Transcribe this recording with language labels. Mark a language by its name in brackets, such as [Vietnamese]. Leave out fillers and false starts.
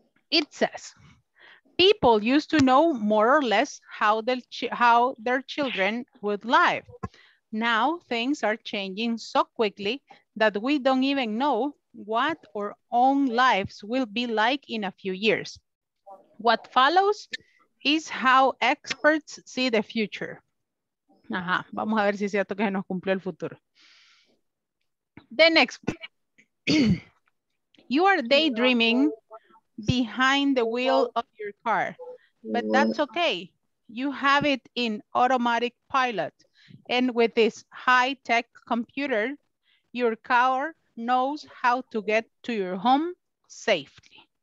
[English] It says, people used to know more or less how their children would live. Now things are changing so quickly that we don't even know what our own lives will be like in a few years. What follows is how experts see the future. [Spanish] Ajá, vamos a ver si es cierto que se nos cumplió el futuro. [English] The next. You are daydreaming behind the wheel of your car, but that's okay. You have it in automatic pilot. And with this high-tech computer, your car knows how to get to your home safely.